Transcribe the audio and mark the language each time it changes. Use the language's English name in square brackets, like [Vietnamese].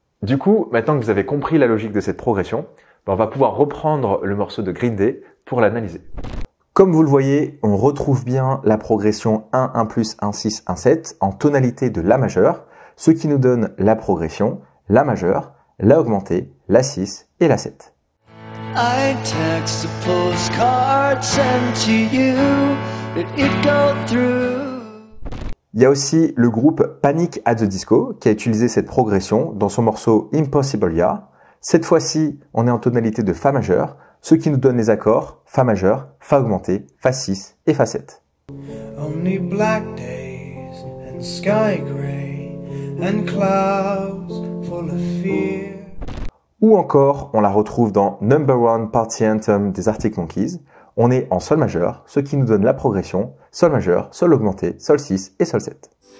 [French] Du coup, maintenant que vous avez compris la logique de cette progression, on va pouvoir reprendre le morceau de Green Day pour l'analyser. Comme vous le voyez, on retrouve bien la progression 1, 1 plus, 1, 6, 1, 7 en tonalité de La majeur, ce qui nous donne la progression, La majeur, La augmentée, La 6 et La 7. [English] I text a postcard sent to you, did it go through? [French] Il y a aussi le groupe Panic at the Disco qui a utilisé cette progression dans son morceau Impossible Ya. Cette fois-ci, on est en tonalité de Fa majeur, ce qui nous donne les accords Fa majeur, Fa augmenté, Fa 6 et Fa 7. [English] Only black days and sky gray and clouds full of fear. [French] Ou encore, on la retrouve dans Number One Party Anthem des Arctic Monkeys. On est en Sol majeur, ce qui nous donne la progression Sol majeur, Sol augmenté, Sol 6 et Sol 7.